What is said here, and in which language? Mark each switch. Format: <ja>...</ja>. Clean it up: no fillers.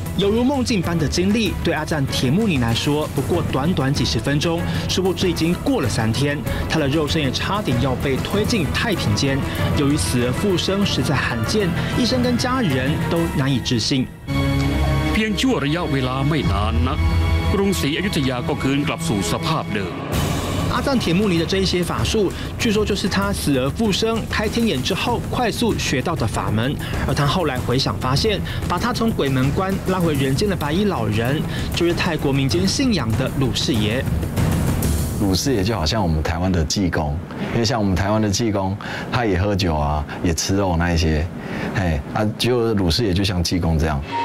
<zh>犹如梦境般的经历，对阿赞铁木尼来说不过短短几十分钟，殊不知已经过了三天，他的肉身也差点要被推进太平间。由于死而复生实在罕见，医生跟家人都难以置信。</zh> <th>เพียงชั่วระยะเวลาไม่นานนักกรุงศรีอยุธยาก็คืนกลับสู่สภาพเดิม。</th> <zh>阿赞铁木尼的这些法术，据说就是他死而复生、开天眼之后快速学到的法门。而他后来回想发现，把他从鬼门关拉回人间的白衣老人，就是泰国民间信仰的卢师爷。卢师爷就好像我们台湾的济公，因为像我们台湾的济公，他也喝酒啊，也吃肉那一些，哎，啊，就卢师爷就像济公这样。</zh>